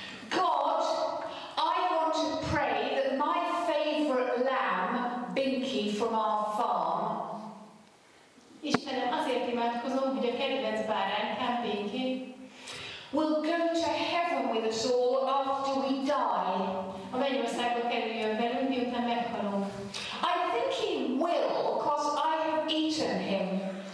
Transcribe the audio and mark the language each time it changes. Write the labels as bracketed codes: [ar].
[en] God, I want to pray that my favorite lamb, Binky, from our farm. [hu] Istenem, azért imádkozom, hogy a kedvenc báránykám, Binky, [en] will go to heaven with us all after we die. [hu] A mennyországba kerüljön velünk, miután meghalunk. [en] I think he will, because I have eaten him.